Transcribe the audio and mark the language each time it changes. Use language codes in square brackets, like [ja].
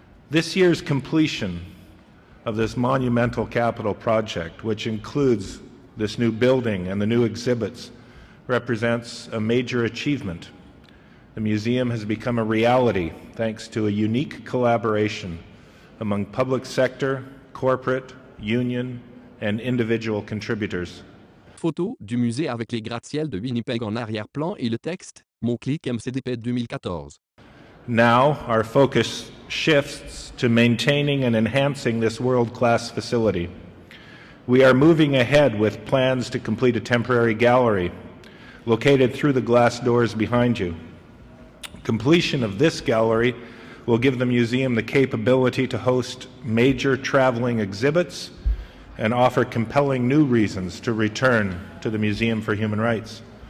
[en] This year's completion of this monumental capital project, which includes this new building and the new exhibits, represents a major achievement. The museum has become a reality thanks to a unique collaboration among public sector, corporate, union, and individual contributors. [fr] Photo du musée avec les gratte-ciels de Winnipeg en arrière-plan et le texte Mon clic MCDP 2014. [en] Now, our focus shifts to maintaining and enhancing this world-class facility. We are moving ahead with plans to complete a temporary gallery located through the glass doors behind you. Completion of this gallery will give the museum the capability to host major traveling exhibits and offer compelling new reasons to return to the Museum for Human Rights.